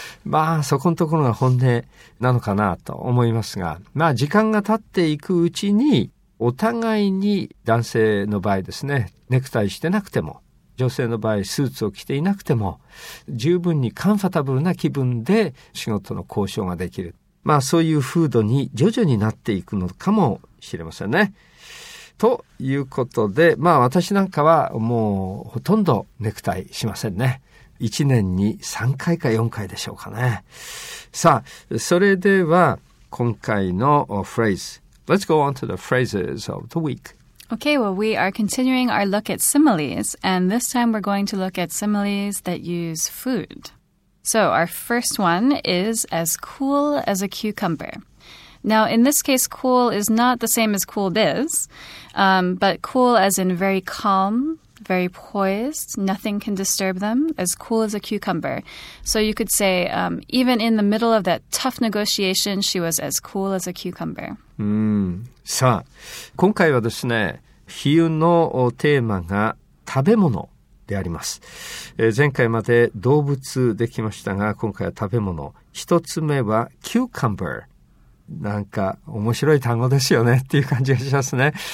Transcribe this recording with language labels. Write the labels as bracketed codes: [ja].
[ja] まあそこのところが本音なのかなと思いますが、まあ時間が経っていくうちにお互いに、男性の場合ですね、ネクタイしてなくても、女性の場合スーツを着ていなくても十分にカンファタブルな気分で仕事の交渉ができる、まあそういう風土に徐々になっていくのかもしれませんね。ということで、まあ私なんかはもうほとんどネクタイしませんね。 1年に3回か4回でしょうかね。さあ、それでは今回のフレーズ。 [en] Let's go on to the phrases of the week. Okay, well, we are continuing our look at similes, and this time we're going to look at similes that use food. So, our first one is as cool as a cucumber. Now, in this case, cool is not the same as cool biz, but cool as in very calm, very poised, nothing can disturb them, as cool as a cucumber. So you could say, even in the middle of that tough negotiation, she was as cool as a cucumber. [ja] さあ、今回はですね、比喩のテーマが食べ物であります。前回まで動物できましたが、今回は食べ物。一つ目は cucumber。なんか面白い単語ですよねっていう感じがしますね。